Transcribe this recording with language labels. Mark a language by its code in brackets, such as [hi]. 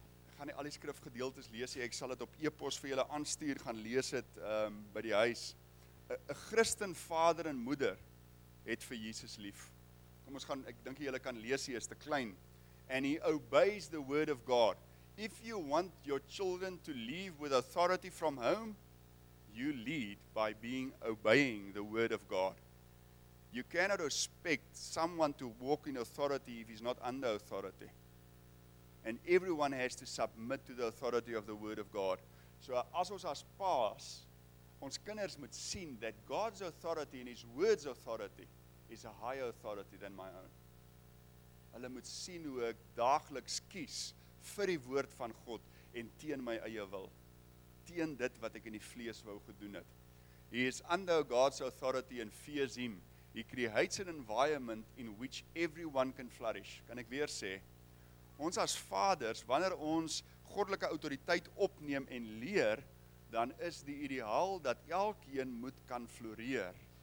[af] Ek gaan nie al die skrifgedeeltes lees nie, ek sal dit op e-pos vir julle aanstuur, gaan lees dit by die huis. 'n Christen vader en moeder het vir Jesus lief. kom ons gaan, ek dink jy kan lees hier, is te klein. [en] And he obeys the word of God. If you want your children to leave with authority from home, you lead by being obeying the word of God. You cannot expect someone to walk in authority if he's not under authority. And everyone has to submit to the authority of the word of God. So [af] as ons as pa's, ons kinders moet sien [en] that God's authority and his word's authority is a higher authority than my own. [af] Hulle moet sien hoe ek daagliks kies vir die woord van God en teen my eie wil. Teen dit wat ek in die vlees wou gedoen het. [en] He is under God's authority and fears him. He creates an environment in which everyone can flourish. [af] Kan ek weer sê, ons as vaders, wanneer ons goddelike autoriteit opneem en leer, dan is die ideaal dat elkeen moet kan floreer.